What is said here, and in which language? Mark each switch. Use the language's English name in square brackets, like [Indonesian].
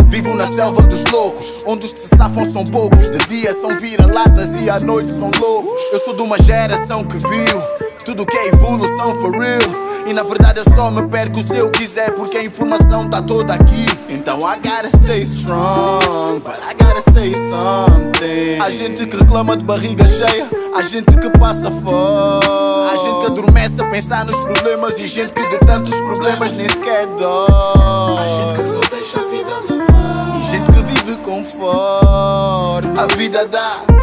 [Portuguese] Vivo na selva dos loucos, onde os que se safam são poucos. De dia são vira-latas e à noite são loucos. Eu sou de uma geração que viu tudo que é evolução [English] for real. [Portuguese] E na verdade eu só me perco se eu quiser, porque a informação tá toda aqui. Então [English] I gotta stay strong, but I gotta say something. [Portuguese] Há gente que reclama de barriga cheia, há gente que passa fome, há gente que adormece a pensar nos problemas, e gente que de tantos problemas nem sequer dói. Há gente que só deixa a vida levar, e gente que vive conforme a vida dá.